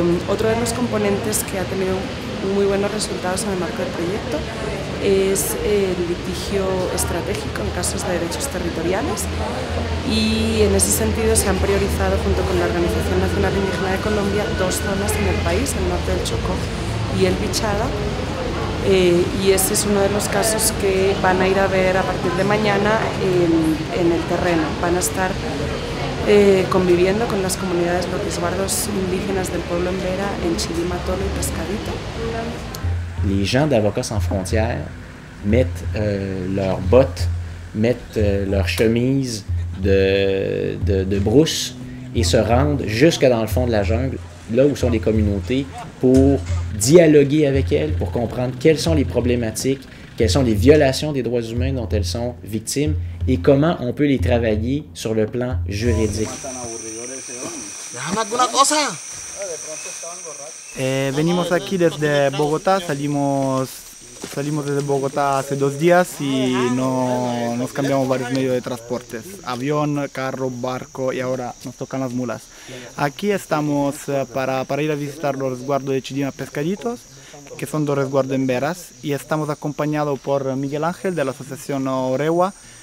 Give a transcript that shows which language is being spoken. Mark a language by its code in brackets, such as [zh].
[es] Otro de los componentes que ha tenido muy buenos resultados en el marco del proyecto es el litigio estratégico en casos de derechos territoriales y en ese sentido se han priorizado junto con la Organización Nacional Indígena de Colombia 2 zonas en el país, el norte del Chocó y el Vichada, y ese es uno de los casos que van a ir a ver a partir de mañana en el terreno. Van a estar conviviendo con las comunidades, los resguardos indígenas del pueblo Embera en Chilima, Tolo y Pescadito. [fr] Les gens d'Avocats sans frontières mettent leurs bottes, mettent leurs chemises de brousse et se rendent jusque dans le fond de la jungle, là où sont les communautés, pour dialoguer avec elles, pour comprendre quelles sont les problématiques, quelles sont les violations des droits humains dont elles sont victimes et comment on peut les travailler sur le plan juridique. [es] Venimos aquí desde Bogotá, salimos desde Bogotá hace 2 días y nos cambiamos varios medios de transporte, avión, carro, barco y ahora nos tocan las mulas. Aquí estamos para ir a visitar los resguardos de Chidima Pescaditos, que son 2 resguardos en Veras, y estamos acompañados por Miguel Ángel de la Asociación Orewa,